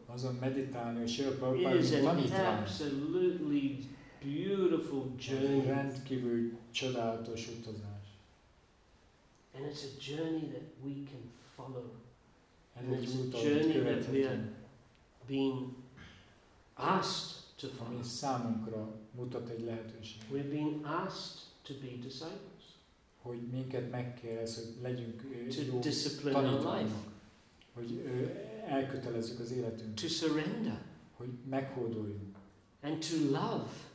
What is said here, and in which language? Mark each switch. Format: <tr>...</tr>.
<hu>Azon meditálni, hogy Srila Prabhupada mint tanítvány.</hu> <en>It is an absolutely beautiful journey.</en> <hu>Rendkívül csodálatos utazás.</hu> <en>And it's a journey that we can follow. And it's a journey that we are being asked to follow.</en> <hu>Számunkra mutat egy lehetőség.</hu> <en>We're being asked to be disciples.</en> <hu>Hogy minket megkérdez, hogy legyünk</hu> <en>to discipline our life.</en> <hu>Hogy elkötelezzük az életünket.</hu> <en>To surrender.</en> <hu>Hogy meghódoljunk.</hu> <en>And to love.</en>